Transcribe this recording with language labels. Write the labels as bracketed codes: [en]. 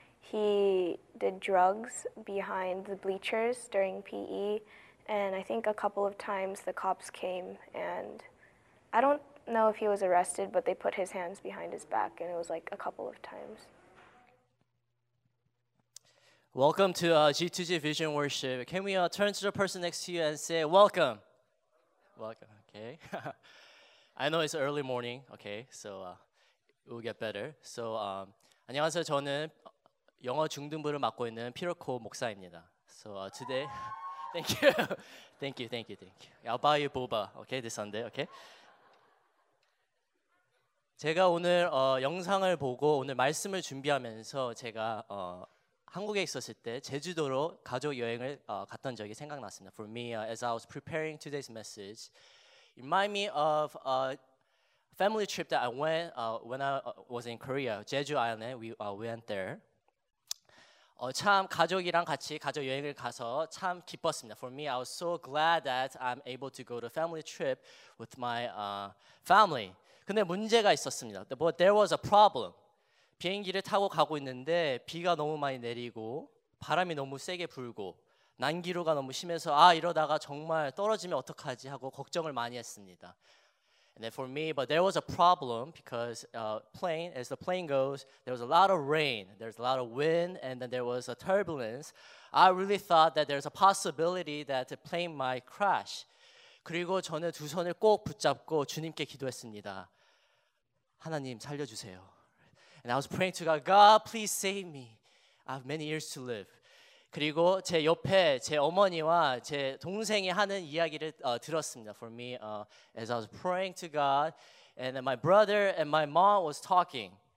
[en] He did drugs behind the bleachers during PE, and I think a couple of times the cops came, and I don't know if he was arrested, but they put his hands behind his back, and it was like a couple of times. Welcome to G2G Vision Worship. Can we turn to the person next to you and say, welcome. Welcome, okay. I know it's early morning, okay, so it will get better. So, [ko] 안녕하세요. 저는 영어 중등부를 맡고 있는 피로코 목사입니다. [en] So today, thank you. thank you. I'll buy you boba, okay, this Sunday, okay. [ko] 제가 오늘 영상을 보고 오늘 말씀을 준비하면서 제가 한국에 있었을 때 제주도로 가족 여행을 갔던 적이 생각났습니다. [en] For me, as I was preparing today's message, it reminded me of a family trip that I went when I was in Korea, Jeju Island. We went there. [ko] 참 가족이랑 같이 가족 여행을 가서 참 기뻤습니다. [en] For me, I was so glad that I'm able to go to family trip with my family. [ko] 근데 문제가 있었습니다. [en] But there was a problem. 비행기를 타고 가고 있는데 비가 너무 많이 내리고 바람이 너무 세게 불고 난기류가 너무 심해서 이러다가 정말 떨어지면 어떡하지 하고 걱정을 많이 했습니다. And then for me, but there was a problem because as the plane goes, there was a lot of rain, there's a lot of wind, and then there was a turbulence. I really thought that there's a possibility that the plane might crash. [ko] 그리고 저는 두 손을 꼭 붙잡고 주님께 기도했습니다. 하나님 살려주세요. [en] And I was praying to God, God, please save me. I have many years to live. [ko] 그리고 제 옆에 제 어머니와 제 동생이 하는 이야기를 들었습니다. [en] For me, as I was praying to God, and then my brother and my mom was talking.